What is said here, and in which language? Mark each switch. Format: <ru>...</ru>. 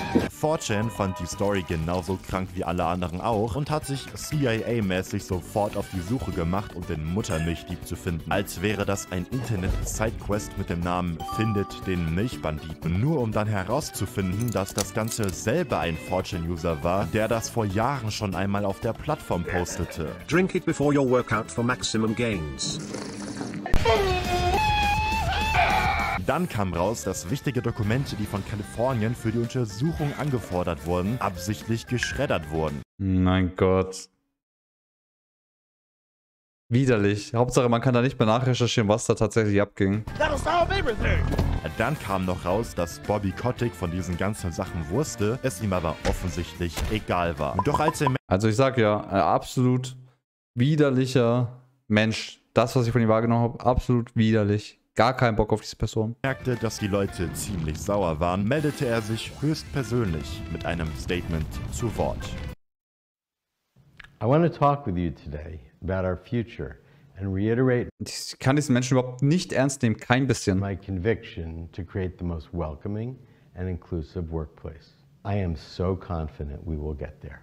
<de>4chan fand die Story genauso krank wie alle anderen auch und hat sich CIA-mäßig sofort auf die Suche gemacht, um den Muttermilchdieb zu finden. Als wäre das ein Internet-Sidequest mit dem Namen Findet den Milchbanditen. Nur um dann herauszufinden, dass das Ganze selber ein 4chan-User war, der das vor Jahren schon einmal auf der Plattform postete.</de> <en>Drink it before your workout for maximum gains.</en> <de>Dann kam raus, dass wichtige Dokumente, die von Kalifornien für die Untersuchung angefordert wurden, absichtlich geschreddert wurden. Mein Gott. Widerlich. Hauptsache, man kann da nicht mehr nachrecherchieren, was da tatsächlich abging.</de> <en>That'll solve everything.</en> <de>Dann kam noch raus, dass Bobby Kotick von diesen ganzen Sachen wusste, es ihm aber offensichtlich egal war. Doch als er... Also ich sag ja, ein absolut widerlicher Mensch. Das, was ich von ihm wahrgenommen habe, absolut widerlich. Gar keinen Bock auf diese Person. Merkte, dass die Leute ziemlich sauer waren, meldete er sich höchstpersönlich mit einem Statement zu Wort.</de> <en>I want to talk with you today about our future and reiterate.</en> <de>Ich kann diesen Menschen überhaupt nicht ernst nehmen, kein bisschen.</de> <en>My conviction to create the most welcoming and inclusive workplace. I am so confident we will get there.</en>